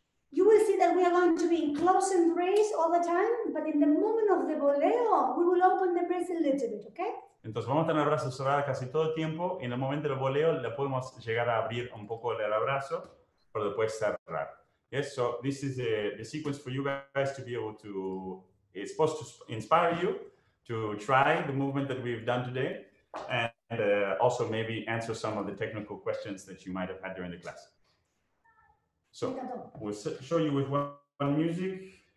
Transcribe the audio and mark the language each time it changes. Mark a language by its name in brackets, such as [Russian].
[English] You will see that we are going to be in close embrace all the time, but in the moment of the voleo, we will open the embrace a little bit, okay? [Spanish] Entonces vamos a tener el brazo cerrado casi todo el tiempo. En el momento del voleo, le podemos llegar a abrir un poco el abrazo. Pero después cerrar. [English] Yes, so this is the sequence for you guys to be able to, it's supposed to inspire you to try the movement that we've done today and also maybe answer some of the technical questions that you might have had during the class. So we'll show you with one music.